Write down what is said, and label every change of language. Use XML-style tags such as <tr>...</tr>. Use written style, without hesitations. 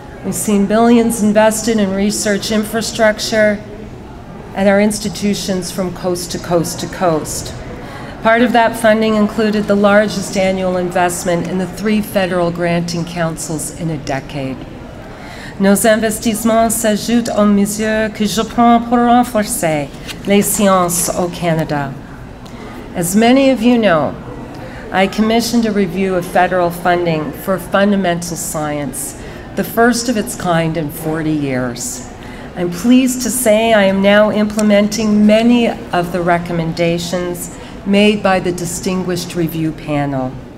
<en>We've seen billions invested in research infrastructure at our institutions from coast to coast to coast. Part of that funding included the largest annual investment in the three federal granting councils in a decade.</en> <fr>Nos investissements s'ajoutent aux mesures que je prends pour renforcer les sciences au Canada.</fr> <en>As many of you know, I commissioned a review of federal funding for fundamental science, the first of its kind in 40 years. I'm pleased to say I am now implementing many of the recommendations made by the distinguished review panel.</en>